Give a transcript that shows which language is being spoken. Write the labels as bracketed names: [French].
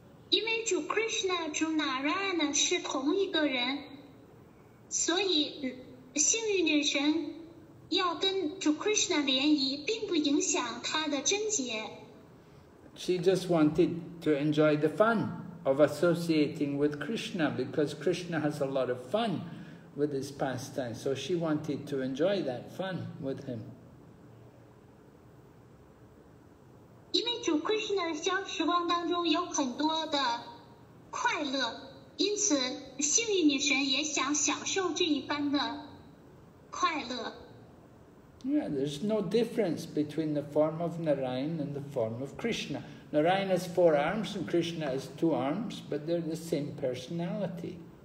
[Chinese] 因为主 Krishna 主 Narayana 是同一个人，所以幸运女神要跟主 Krishna 联谊并不影响她的贞洁。 [English] She just wanted to enjoy the fun of associating with Krishna because Krishna has a lot of fun with his pastime. So she wanted to enjoy that fun with him. [Chinese] 因为主 Krishna 的消时光当中有很多的快乐，因此幸运女神也想享受这一番的快乐。 [English] Yeah, there's no difference between the form of Narayan and the form of Krishna. Narayan has four arms and Krishna has two arms, but they're the same personality.